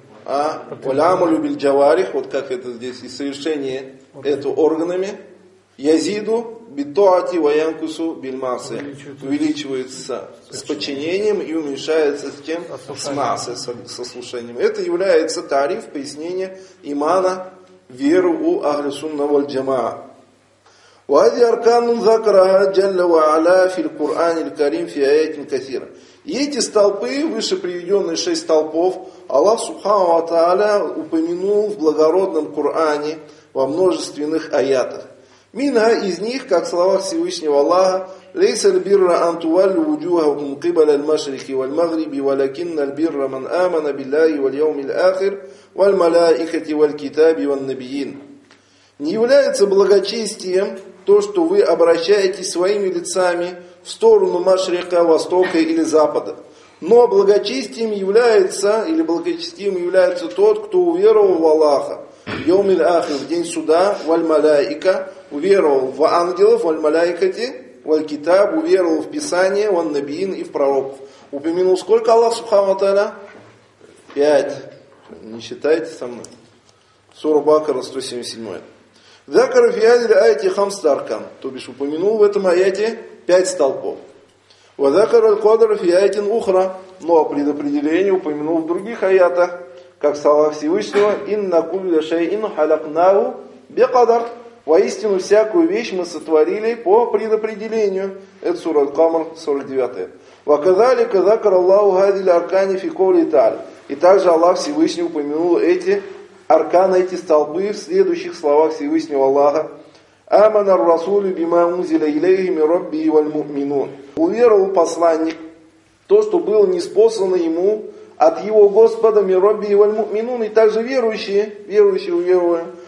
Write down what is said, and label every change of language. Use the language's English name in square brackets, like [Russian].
[Russian] А [Arabic] «Уляму любиль джаварих», [Russian] вот как это здесь, и совершение это органами, [Arabic] «Язиду битуати ваянкусу бильмасы», [Russian] увеличивается с подчинением и уменьшается с тем, с массой, со слушанием. Это является тариф, пояснение имана, веру у ахли сунна валь джамаа. [Arabic] وهذه أركان ذكرها جل وعلا في القرآن الكريم في آيات كثيرة. [Russian] Эти столпы, выше приведенные шесть столпов, Аллах Субхану ва Тааля упомянул в благородном Коране во множественных аятах. [Arabic] Минха [Russian] из них, как в словах Всевышнего Аллаха, [Arabic] لَيْسَ الْبِرَّ أَنْ تُوَلُّ وُجُوهَكُمْ قِبَلَ الْمَشْرِقِ وَالْمَغْرِبِ وَلَكِنَّ الْبِرَّ مَنْ آمَنَ بِاللَّهِ وَالْيَوْمِ الْآخِرِ وَالْمَلَائِكَةِ وَالْكِتَابِ وَالنَّبِيِّينَ. [Russian] Не является благочестием то, что вы обращаетесь своими лицами в сторону Машрика, Востока или Запада. Но благочестием является, или благочестием является тот, кто уверовал в Аллаха, Йом иль-Ахир, в день суда, валь-маляика, уверовал в ангелов, валь-маляикати, валь-китаб, уверовал в Писание, валь-набиин и в пророков. Упомянул сколько Аллах Субхану ва Тааля? Пять. Не считайте со мной. Сура Бакара, 177-й. [Arabic] ذكر في هذه الآية خمس أركان. [Russian] То бишь упомянул в этом аяте пять столпов. [Arabic] وذكر القدر في آية أخرى. [Russian] Но предопределение упомянул в других аятах, как слова Всевышнего: [Arabic] Инна кулля шайин халакнаху бикадар. [Russian] Воистину всякую вещь мы сотворили по предопределению. Это сура Аль-Камар, 49. [Arabic] وكذلك ذكر الله هذه الأركان في قوله تعالى. [Russian] И также Аллах Всевышний упомянул эти Аркан, эти столбы, в следующих словах Всевышнего Аллаха. [Arabic] «Амана ар-расулю бима унзиля илейхи ми робби и валь му'минун». [Russian] Уверовал посланник то, что было ниспослано ему от его Господа [Arabic] ми робби и валь му'минун, [Russian] и также верующие, верующие уверовали.